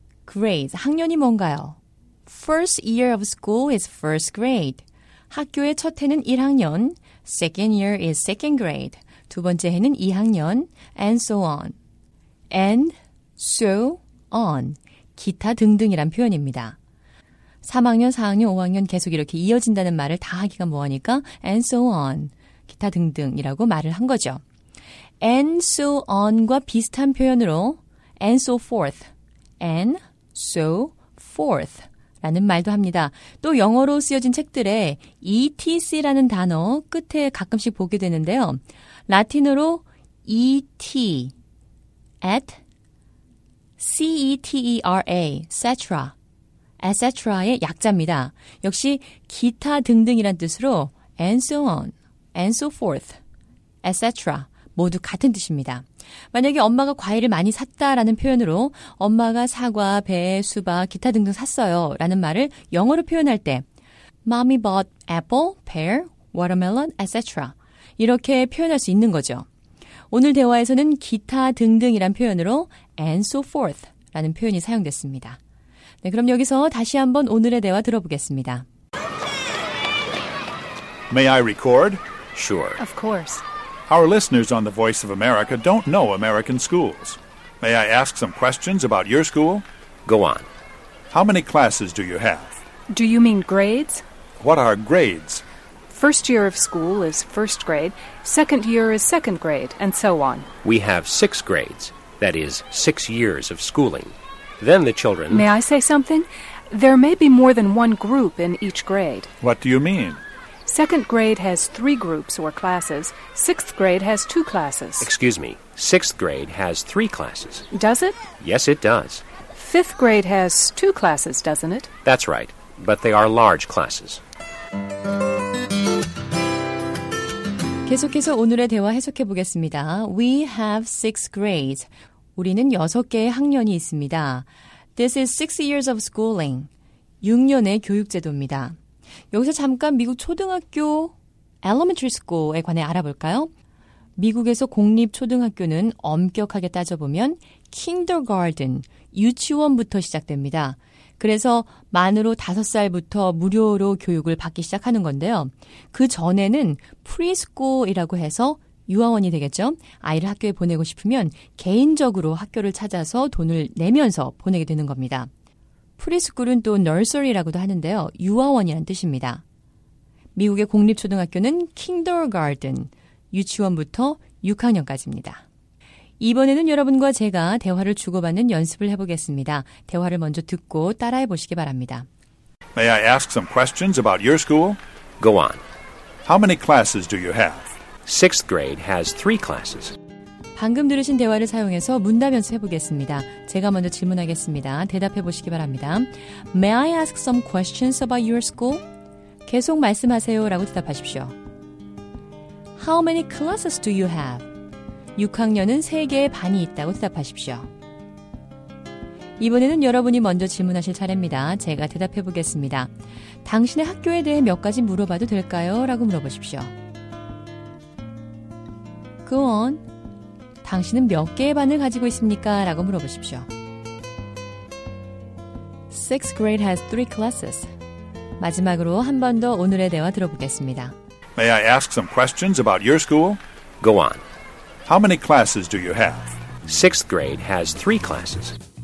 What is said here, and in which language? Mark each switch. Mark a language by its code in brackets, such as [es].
[ko] Grades, 학년이 뭔가요? [en] First year of school is first grade. [ko] 학교의 첫 해는 1학년, [en] second year is second grade. [ko] 두 번째 해는 2학년, [en] and so on. And so on. [ko] 기타 등등이란 표현입니다. 3학년, 4학년, 5학년 계속 이렇게 이어진다는 말을 다 하기가 뭐하니까 [en] and so on. [ko] 기타 등등이라고 말을 한 거죠. [en] And so on과 [ko] 비슷한 표현으로 [en] and so forth, and so forth라는 [ko] 말도 합니다. 또 영어로 쓰여진 책들에 ETC라는 단어 끝에 가끔씩 보게 되는데요. 라틴어로 ET, at, C-E-T-E-R-A, etc. etc.의 약자입니다. 역시 기타 등등이란 뜻으로 [en] and so on. And so forth, etc. [ko] 모두 같은 뜻입니다. 만약에 엄마가 과일을 많이 샀다라는 표현으로 엄마가 사과, 배, 수박, 기타 등등 샀어요 라는 말을 영어로 표현할 때 [en] Mommy bought apple, pear, watermelon, etc. [ko] 이렇게 표현할 수 있는 거죠. 오늘 대화에서는 기타 등등이란 표현으로 [en] And so forth [ko] 라는 표현이 사용됐습니다. 네, 그럼 여기서 다시 한번 오늘의 대화 들어보겠습니다. [en] May I record? Sure. Of course. Our listeners on the Voice of America don't know American schools. May I ask some questions about your school? Go on. How many classes do you have? Do you mean grades? What are grades? First year of school is first grade, second year is second grade, and so on. We have six grades, that is, 6 years of schooling. Then the children... May I say something? There may be more than one group in each grade. What do you mean? Second grade has three groups or classes. Sixth grade has two classes. Excuse me. Sixth grade has three classes. Does it? Yes, it does. Fifth grade has two classes, doesn't it? That's right. But they are large classes. [ko] 계속해서 오늘의 대화 해석해 보겠습니다. [en] We have six grades. [ko] 우리는 여섯 개의 학년이 있습니다. [en] This is 6 years of schooling. [ko] 6년의 교육제도입니다. 여기서 잠깐 미국 초등학교 elementary school에 관해 알아볼까요? 미국에서 공립 초등학교는 엄격하게 따져보면 kindergarten, 유치원부터 시작됩니다. 그래서 만으로 5살부터 무료로 교육을 받기 시작하는 건데요. 그 전에는 preschool이라고 해서 유아원이 되겠죠? 아이를 학교에 보내고 싶으면 개인적으로 학교를 찾아서 돈을 내면서 보내게 되는 겁니다. 프리스쿨은 또 nursery라고도 하는데요. 유아원이란 뜻입니다. 미국의 공립초등학교는 kindergarten, 유치원부터 6학년까지입니다. 이번에는 여러분과 제가 대화를 주고받는 연습을 해보겠습니다. 대화를 먼저 듣고 따라해보시기 바랍니다. [en] May I ask some questions about your school? Go on. How many classes do you have? Sixth grade has three classes. [ko] 방금 들으신 대화를 사용해서 문답연습 해보겠습니다. 제가 먼저 질문하겠습니다. 대답해 보시기 바랍니다. [en] May I ask some questions about your school? [ko] 계속 말씀하세요 라고 대답하십시오. [en] How many classes do you have? [ko] 6학년은 3개의 반이 있다고 대답하십시오. 이번에는 여러분이 먼저 질문하실 차례입니다. 제가 대답해 보겠습니다. 당신의 학교에 대해 몇 가지 물어봐도 될까요? 라고 물어보십시오. [en] Go on. [ko] 당신은 몇 개의 반을 가지고 있습니까? 라고 물어보십시오. [en] Sixth grade has three classes. [ko] 마지막으로 한 번 더 오늘의 대화 들어보겠습니다. [en] May I ask some questions about your school? Go on. How many classes do you have? Sixth grade has three classes.